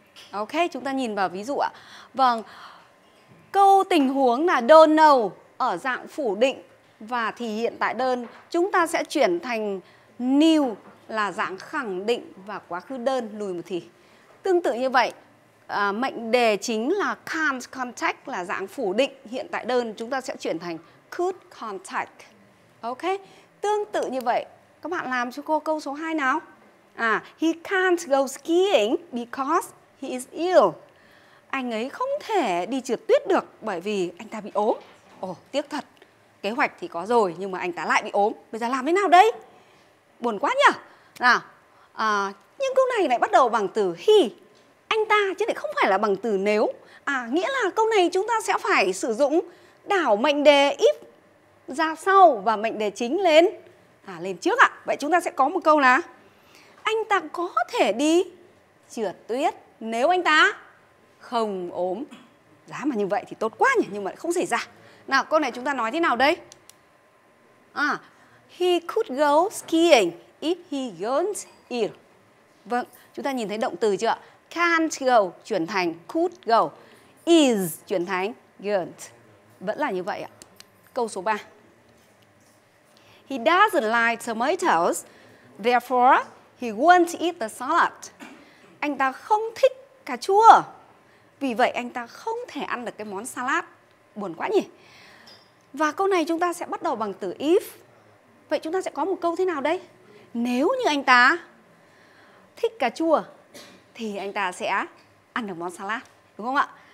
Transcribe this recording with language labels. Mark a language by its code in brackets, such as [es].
[vi] Ok, chúng ta nhìn vào ví dụ ạ. Vâng, câu tình huống là don't know ở dạng phủ định và thì hiện tại đơn, chúng ta sẽ chuyển thành knew là dạng khẳng định và quá khứ đơn, lùi một thì. Tương tự như vậy, mệnh đề chính là can't contact là dạng phủ định hiện tại đơn, chúng ta sẽ chuyển thành could contact. Ok, tương tự như vậy, các bạn làm cho cô câu số 2 nào. [en] He can't go skiing because he is ill. [vi] Anh ấy không thể đi trượt tuyết được bởi vì anh ta bị ốm. Ồ, tiếc thật. Kế hoạch thì có rồi nhưng mà anh ta lại bị ốm. Bây giờ làm thế nào đây? Buồn quá nhỉ? Nào, nhưng câu này lại bắt đầu bằng từ he, anh ta, chứ lại không phải là bằng từ nếu. Nghĩa là câu này chúng ta sẽ phải sử dụng đảo mệnh đề if ra sau và mệnh đề chính lên lên trước ạ. Vậy chúng ta sẽ có một câu là anh ta có thể đi trượt tuyết nếu anh ta không ốm. Giá mà như vậy thì tốt quá nhỉ, nhưng mà lại không xảy ra. Nào, câu này chúng ta nói thế nào đây? [en] He could go skiing if he weren't ill. [vi] Vâng, chúng ta nhìn thấy động từ chưa? Can't go chuyển thành could go, is chuyển thành weren't. Vẫn là như vậy ạ. Câu số 3. [en] He doesn't like tomatoes, therefore he won't eat the salad. [vi] Anh ta không thích cà chua, vì vậy anh ta không thể ăn được cái món salad. Buồn quá nhỉ. Và câu này chúng ta sẽ bắt đầu bằng từ if. Vậy chúng ta sẽ có một câu thế nào đây? Nếu như anh ta thích cà chua thì anh ta sẽ ăn được món salad, đúng không ạ?